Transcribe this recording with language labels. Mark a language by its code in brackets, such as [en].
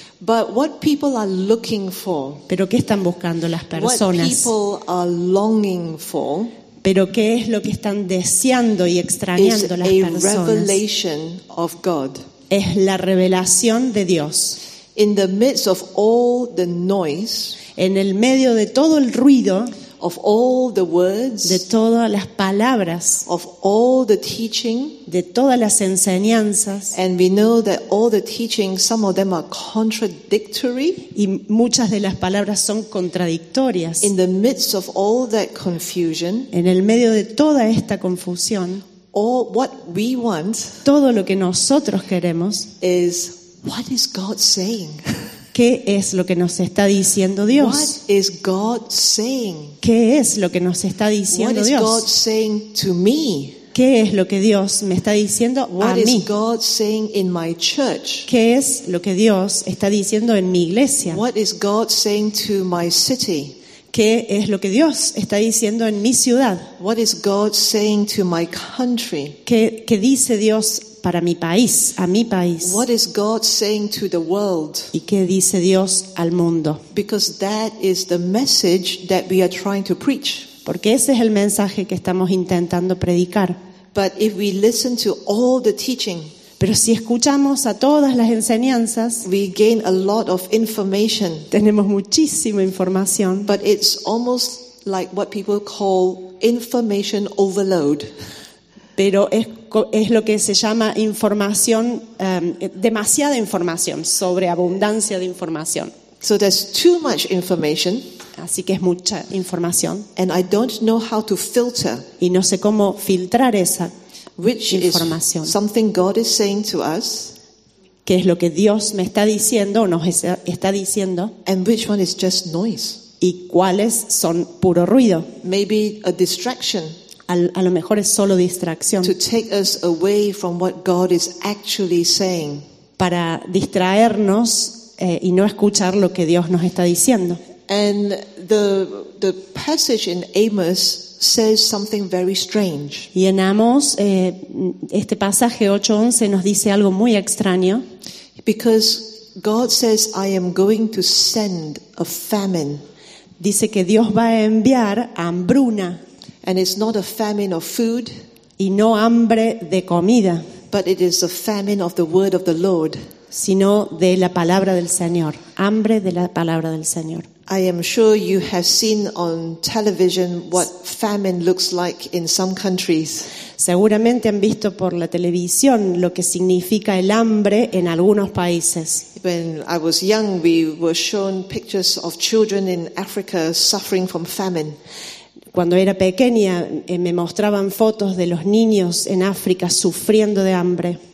[en] But what people are looking for? [es] Pero qué están buscando las personas? [en] What people are longing for? [es] Pero qué es lo que están deseando y extrañando las personas? [en] Is a revelation of God. [es] Es la revelación de Dios. [en] In the midst of all the noise, [es] en el medio de todo el ruido, [en] of all the words, [es] de todas las palabras, [en] of all the teaching, [es] de todas las enseñanzas, [en] and we know that all the teaching, some of them are contradictory, [es] y muchas de las palabras son contradictorias. [en] In the midst of all that confusion, [es] en el medio de toda esta confusión, [en] all what we want, [es] todo lo que nosotros queremos, [en] is what is God saying? [es] ¿Qué es lo que nos está diciendo Dios? [en] What is God saying? [es] ¿Qué es lo que nos está diciendo [en] what [es] Dios? [en] What is God saying to me? [es] ¿Qué es lo que Dios me está diciendo [en] what [es] a mí? [en] What is God saying in my church? [es] ¿Qué es lo que Dios está diciendo en mi iglesia? [en] What is God saying to my city? [es] ¿Qué es lo que Dios está diciendo en mi ciudad? [en] What is God saying to my country? [es] ¿Qué dice Dios para mi país, a mi país? [en] What is God saying to the world? [es] ¿Y qué dice Dios al mundo? [en] Because that is the message that we are trying to preach. [es] Porque ese es el mensaje que estamos intentando predicar. [en] But if we listen to all the teaching, [es] pero si escuchamos a todas las enseñanzas, [en] we gain a lot of information. [es] Tenemos muchísima información. [en] But it's almost like what people call information overload. [es] Pero es lo que se llama información, demasiada información, sobreabundancia de información. [en] So there's too much information. [es] Así que es mucha información. [en] And I don't know how to filter. [es] Y no sé cómo filtrar esa [en] which [es] información. [en] Is something God is saying to us. [es] Qué es lo que Dios me está diciendo o nos está diciendo. [en] And which one is just noise. [es] Y cuáles son puro ruido. [en] Maybe a distraction. [es] A lo mejor es solo distracción. [en] To take us away from what God is actually saying. [es] Para distraernos y no escuchar lo que Dios nos está diciendo. [en] And the passage in Amos says something very strange. [es] Y en Amos este pasaje 8:11 nos dice algo muy extraño. [en] Because God says I am going to send a famine. [es] Dice que Dios va a enviar hambruna. [en] And it's not a famine of food, [es] y no hambre de comida, [en] but it is a famine of the word of the Lord, [es] sino de la palabra del Señor, hambre de la palabra del Señor. [en] I am sure you have seen on television what famine looks like in some countries. [es] Seguramente han visto por la televisión lo que significa el hambre en algunos países. [en] When I was young, we were shown pictures of children in Africa suffering from famine. [es] Cuando era pequeña, me mostraban fotos de los niños en África sufriendo de hambre.